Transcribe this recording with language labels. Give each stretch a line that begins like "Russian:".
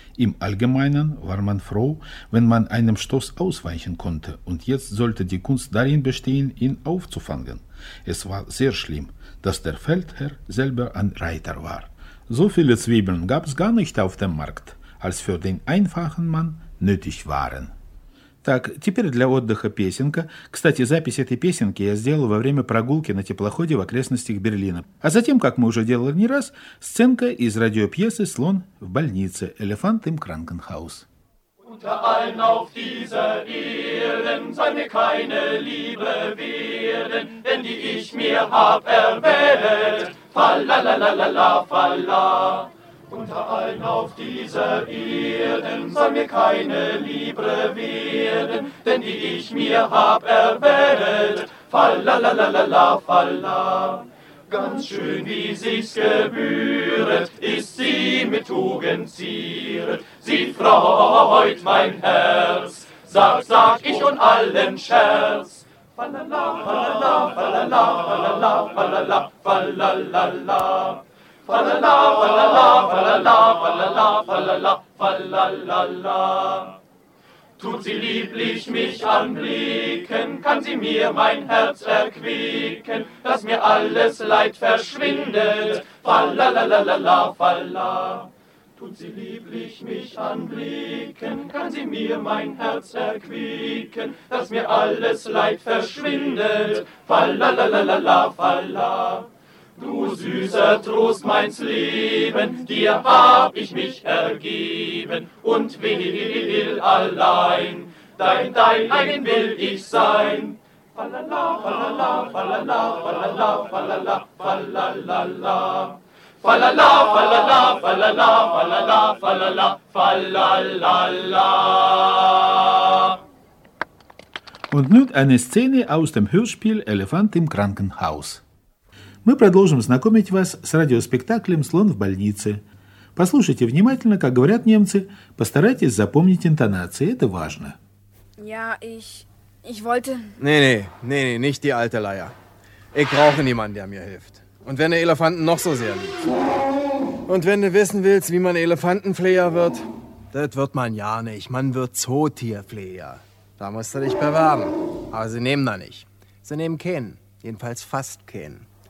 German: im Allgemeinen war man froh, wenn man einem Stoß ausweichen konnte, und jetzt sollte die Kunst darin bestehen, ihn aufzufangen. Es war sehr schlimm, dass der Feldherr selber ein Reiter war. So viele Zwiebeln gab es gar nicht auf dem Markt, als für den einfachen Mann nötig waren.
Russian: Так, теперь для отдыха песенка. Кстати, запись этой песенки я сделал во время прогулки на теплоходе в окрестностях Берлина. А затем, как мы уже делали не раз, сценка из радиопьесы «Слон в больнице»
German: «Elephant im Krankenhaus». Unter allen auf dieser Erden soll mir keine Liebe werden, denn die ich mir hab erwählt. Falalalalala, falala. Unter allen auf dieser Erden soll mir keine Liebe werden, denn die ich mir hab erwählt. Falalalalala, falala. Ganz schön, wie sich's gebühret, ist sie mit Tugend ziert. Sie freut mein Herz, sag, sag ich und allen Scherz. Falala, falala, falala, falala, falala, falala, falala. Falala, falala, falala, falala, falala, falala, falala. Tut sie lieblich mich anblicken, kann sie mir mein Herz erquicken, dass mir alles Leid verschwindet. Falalalalala, falala. Tut sie lieblich mich anblicken, kann sie mir mein Herz erquicken, dass mir alles Leid verschwindet. Falalalalala, falala. Du süßer Trost meins Leben, dir hab ich mich ergeben und will allein, dein eigen will ich sein. Falala, falala, falala, falala, falala, falala, falala, falala, falala, falala, falala, falala, falala. Und nun eine Szene aus dem Hörspiel Elefant im Krankenhaus.
Russian: Мы продолжим знакомить вас с радиоспектаклем «Слон в больнице». Послушайте внимательно, как говорят немцы, постарайтесь запомнить интонации, это важно.
German: Ja, ich wollte... Nee, nicht die alte Leier. Ich brauche niemanden, der mir hilft. Und wenn der Elefanten noch so sehr liebt. Und wenn du wissen willst, wie man Elefantenflehrer wird, das wird man ja nicht, man wird Zootierflehrer. Da musst du dich bewerben. Aber sie nehmen da nicht. Sie nehmen keinen, jedenfalls fast keinen.